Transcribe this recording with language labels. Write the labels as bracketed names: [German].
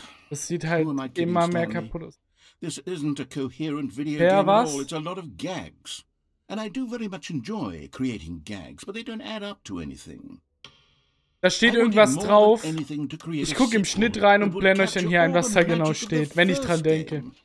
[German] Das sieht halt immer kidding, mehr kaputt aus. [English] This isn't a coherent video game at all. It's a lot of gags. And I do very much enjoy creating gags, but they don't add up to anything. [German] Da steht irgendwas drauf. Ich gucke im Schnitt rein und blende euch dann hier ein, was da genau steht, wenn ich dran denke.